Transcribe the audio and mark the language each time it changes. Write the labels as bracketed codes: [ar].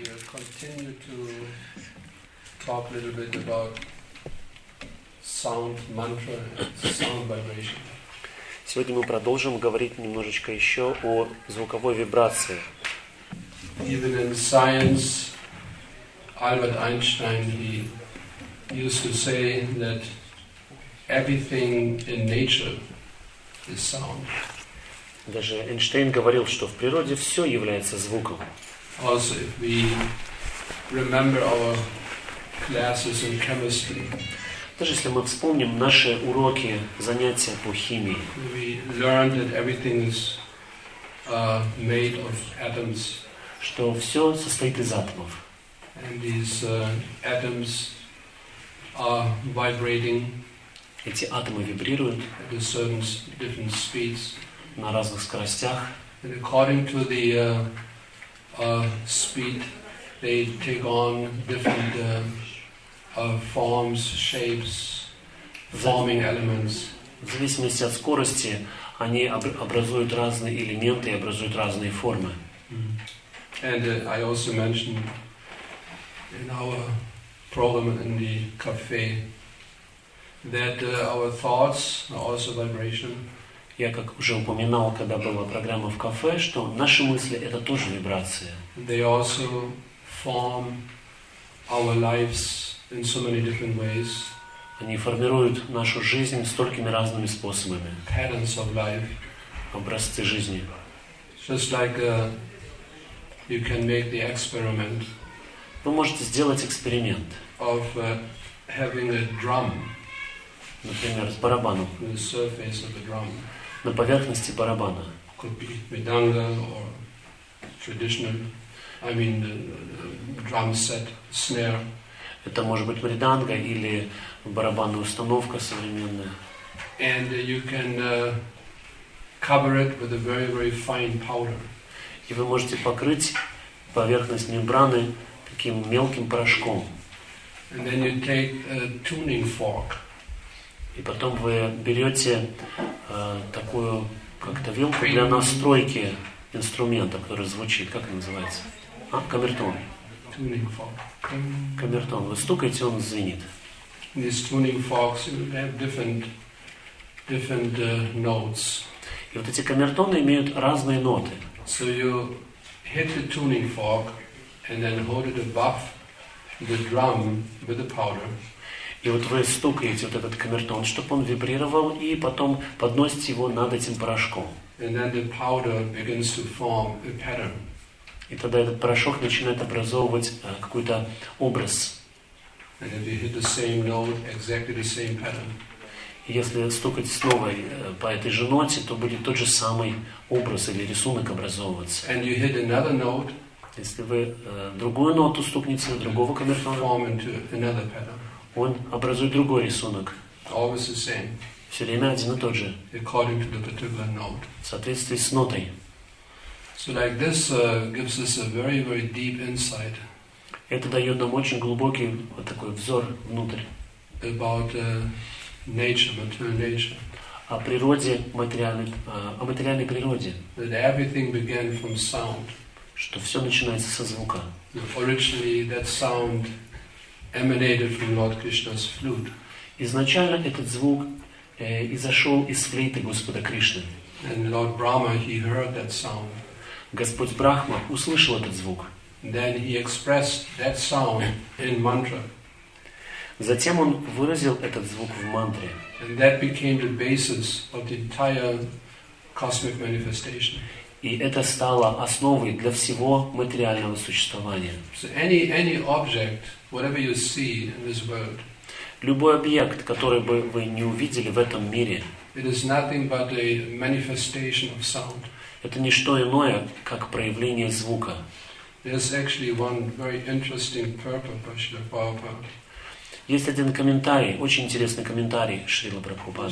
[en] continue to talk a little bit about sound mantra and sound vibration. [ru] Сегодня мы продолжим говорить немножечко еще о звуковой вибрации. [en] Even in science, Albert Einstein he used to say that everything in nature is sound. [ru] Даже Эйнштейн говорил, что в природе все является звуком. [en] Also, if we remember our classes in chemistry. [ru] Даже если мы вспомним наши уроки, занятия по химии. [en] We learned that everything is made of atoms. [ru] Что все состоит из атомов. [en] And these atoms are vibrating. [ru] Эти атомы вибрируют. [en] At a certain different speeds. [ru] На разных скоростях. [en] And according to the speed, they take on different forms, shapes, forming elements. [ru] В зависимости от скорости они образуют разные элементы и образуют разные формы. Mm-hmm. [en] And I also mentioned in our program in the cafe that our thoughts are also vibration. [ru] Я как уже упоминал, когда была программа в кафе, что наши мысли это тоже вибрация. [en] They also form our lives in so many different ways. [ru] Они формируют нашу жизнь столькими разными способами. [en] Patterns of life. [ru] Образцы жизни. [en] Just like you can make the experiment. [ru] Вы можете сделать эксперимент. [en] Of having a drum. [ru] Например, с барабаном. [en] The surface of the drum. [ru] На поверхности барабана. [en] Could be medanga or traditional, I mean, drum set, snare. [ru] Это может быть мриданга или барабанная установка современная. [en] And you can cover it with a very, very fine powder. [ru] И вы можете покрыть поверхность мембраны таким мелким порошком. [en] And then you take a tuning fork. [ru] И потом вы берете такую как-то вилку для настройки инструмента, который звучит, как он называется? А, камертон. [en] Tuning fork. [ru] Камертон. Вы стукаете, он звенит. [en] These tuning forks have different notes. [ru] И вот эти камертоны имеют разные ноты. [en] So you hit the tuning fork and then hold it above the drum with the powder. [ru] И вот вы стукаете вот этот камертон, чтобы он вибрировал, и потом подносите его над этим порошком. [en] And then the powder begins to form a pattern. [ru] И тогда этот порошок начинает образовывать какой-то образ. [en] And if you hit the same note, exactly the same pattern. [ru] И если стукать снова по этой же ноте, то будет тот же самый образ или рисунок образовываться. [en] And you hit another note, [ru] если вы другую ноту стукнете на другого камертона, [en] form into another pattern. [ru] Он образует другой рисунок. [en] Always the same. [ru] Все время один и тот же. [en] According to the particular note. [ru] В соответствии с нотой. [en] So like this gives us a very, very deep insight. [ru] Это дает нам очень глубокий вот такой взор внутрь. [en] About nature, material nature. [ru] О природе, материальной природе. [en] That everything began from sound. [ru] Что все начинается со звука. [en] Originally that sound emanated from Lord Krishna's flute. [ru] Изначально этот звук изошел из флейты Господа Кришны. [en] And Lord Brahma, he heard that sound. [ru] Господь Брахма услышал этот звук. [en] Then he expressed that sound in mantra. [ru] Затем он выразил этот звук в мантре. [en] And that became the basis of the entire cosmic manifestation. [ru] И это стало основой для всего материального существования. [en] So any object, whatever you see in this world, [ru] любой объект, который бы вы не увидели в этом мире, [en] it is nothing but a manifestation of sound. [ru] Это не что иное, как проявление звука. [en] There's actually one very interesting purpose by Srila Prabhupada. [ru] Есть один комментарий, очень интересный комментарий Шрилы Прабхупады.